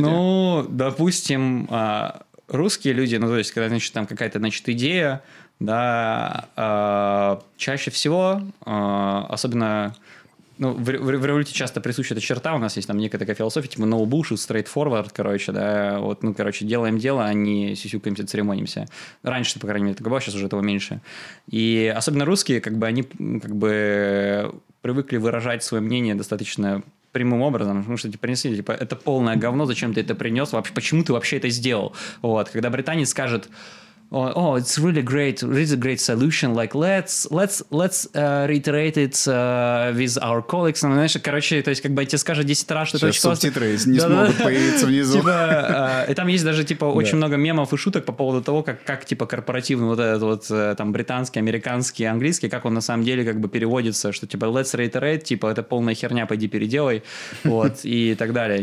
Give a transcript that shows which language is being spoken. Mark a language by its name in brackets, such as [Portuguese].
[Russian] Ну, допустим, русские люди, ну, то есть, когда, значит, там какая-то, значит, идея, да, чаще всего, особенно, ну, в Революте часто присуща эта черта, у нас есть там некая такая философия, типа, [English] no bullshit, straight forward, [Russian] короче, да, вот, ну, короче, делаем дело, а не сисюкаемся, церемонимся. Раньше, по крайней мере, так было, сейчас уже этого меньше. И особенно русские, как бы, они, как бы, привыкли выражать свое мнение достаточно прямым образом, потому что, типа, это полное говно, зачем ты это принес, вообще, почему ты вообще это сделал? Вот, когда британец скажет, [English] oh, it's really great, really great solution. Like, let's reiterate it with our colleagues. [Russian] Ну, знаешь, короче, то есть, как бы я тебе скажу 10 раз, что это очень классно. Сейчас субтитры не смогут появиться внизу. Типа, и там есть даже, типа, очень много мемов и шуток по поводу того, как типа, корпоративный вот этот вот, там, британский, американский, английский, как он на самом деле, как бы, переводится, что, типа, [English] let's reiterate, [Russian] типа, это полная херня, пойди переделай, вот, и так далее.